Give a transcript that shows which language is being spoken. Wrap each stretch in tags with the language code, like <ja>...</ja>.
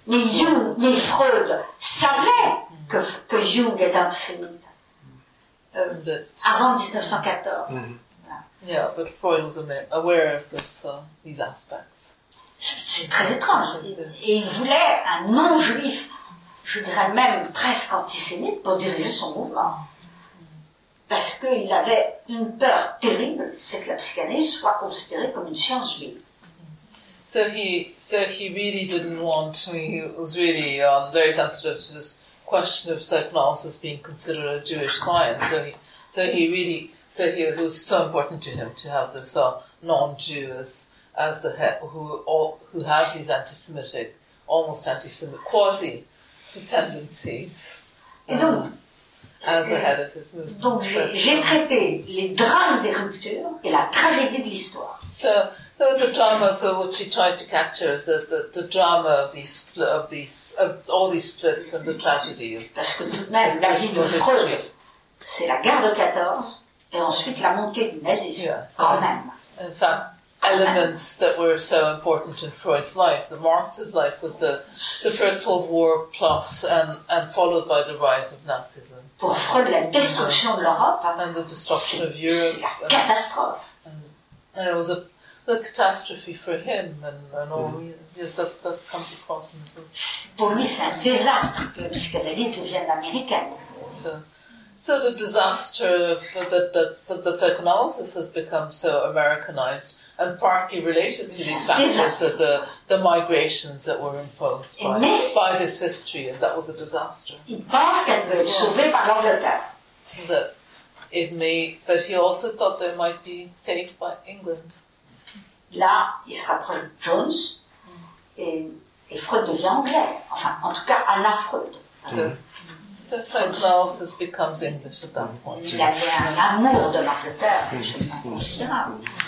<fr>Ni Jung ni Freud savaient que Jung est antisémite avant 1914. Mm-hmm.</fr> <en>Yeah, but Freud was aware of this, these aspects.</en> <fr>C'est très étrange. Et il voulait un non-juif, je dirais même presque antisémite, pour diriger son mouvement. Parce qu'il avait une peur terrible, c'est que la psychanalyse soit considérée comme une science juive.</fr> <en>So he really didn't want to, he was really very sensitive to this question of psychoanalysis being considered a Jewish science. So it was so important to him to have this non-Jew as the head, who has these anti-Semitic, almost anti-Semitic, quasi tendencies.</en> <fr>Et donc,</fr> <en>as the head of his movement.</en> <fr>Donc j'ai traité les drames des ruptures et la tragédie de l'histoire.</fr> <en>So there was a drama. So what she tried to capture is the drama of all these splits and the tragedy.</en> <fr>Parce que tout de même, la vie de Freud, c'est la guerre de 14. Et ensuite la montée du nazisme,</fr> <en>In fact, elements that were so important in Freud's life, the Marxist life, was the First World War plus and followed by the rise of Nazism.</en> <fr>Pour Freud, la destruction de l'Europe.</fr> <en>And the destruction of Europe.</en> <fr>C'est la catastrophe.</fr> <en>And it was a catastrophe for him and all. Yes, that comes across in the book.</en> <fr>Pour lui, c'est un désastre que la psychanalyse devienne américaine.</fr> <en>So the disaster that the psychoanalysis has become so Americanized, and partly related to these factors that the migrations that were imposed by this history, and that was a disaster.</en> <fr>Il pense qu'elle peut être sauvée par l'Angleterre.</fr> <en>That it may, but he also thought they might be saved by England.</en> <fr>Là, il se rapproche de Jones, et Freud devient anglais. Enfin, en tout cas, Anna Freud.</fr> <en>The psychoanalysis becomes English at that point.</en> <fr>Il avait un amour de l'Angleterre, absolument considérable.</fr>